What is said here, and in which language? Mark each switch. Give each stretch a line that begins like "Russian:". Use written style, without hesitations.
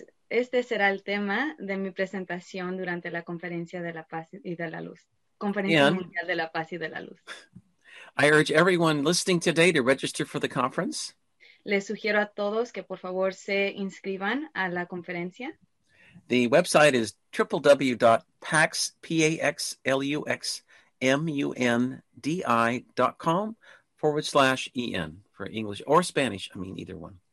Spanish: Este será el tema de mi presentación durante la Conferencia de la Paz y de la Luz. Conferencia Mundial de la Paz y de la Luz.
English: I urge everyone listening today to register for the conference.
Spanish: Les sugiero a todos que por favor se inscriban a la conferencia.
English: The website is www.paxmundi.com/en for English or Spanish, I mean either one.